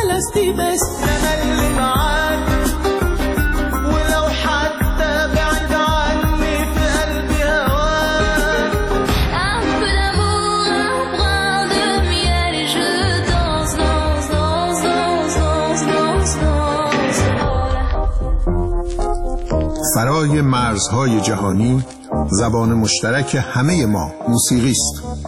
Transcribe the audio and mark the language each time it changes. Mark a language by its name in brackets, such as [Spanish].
[Arabic] بس انا اللي معاك، ولو حتى بعد عني في قلبي هواك. [French] Après l'amour, après le miel, et je danse, danse, danse, danse, danse, danse, danse. [Persian] فرای مرزهای جهانی زبان مشترک همه ما موسیقی است.